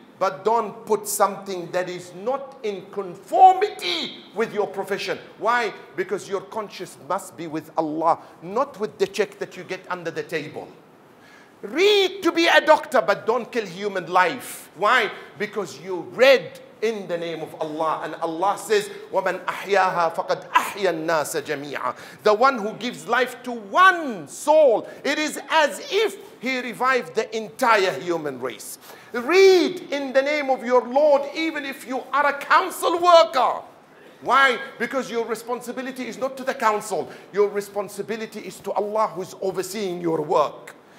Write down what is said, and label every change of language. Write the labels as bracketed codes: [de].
[en] But don't put something that is not in conformity with your profession. Why? Because your conscience must be with Allah, not with the check that you get under the table. Read to be a doctor, but don't kill human life. Why? Because you read in the name of Allah. And Allah says, [ar] وَمَنْ أَحْيَاهَا فَقَدْ أَحْيَا النَّاسَ جَمِيعًا. [en] The one who gives life to one soul, it is as if he revived the entire human race. Read in the name of your Lord, even if you are a council worker. Why? Because your responsibility is not to the council. Your responsibility is to Allah who is overseeing your work.